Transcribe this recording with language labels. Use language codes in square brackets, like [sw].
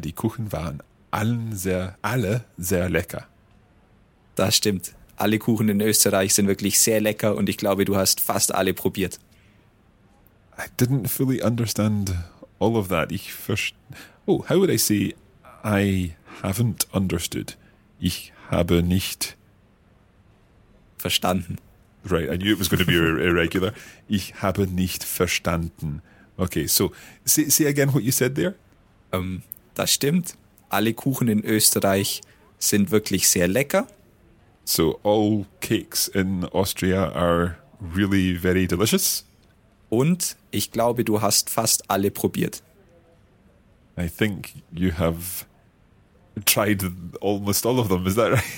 [de] Die Kuchen waren alle sehr lecker. Das stimmt. Alle Kuchen in Österreich sind wirklich sehr lecker und ich glaube, du hast fast alle probiert. [en] I didn't fully understand all of that. How would I say I haven't understood? [de] Ich habe nicht verstanden. [en] Right, I knew it was going to be irregular. [de] Ich habe nicht verstanden. [en] Okay, so say again what you said there. [de] Das stimmt. Alle Kuchen in Österreich sind wirklich sehr lecker. [en] So all cakes in Austria are really very delicious. [de] Und ich glaube, du hast fast alle probiert. [en] I think you have tried almost all of them, is that right?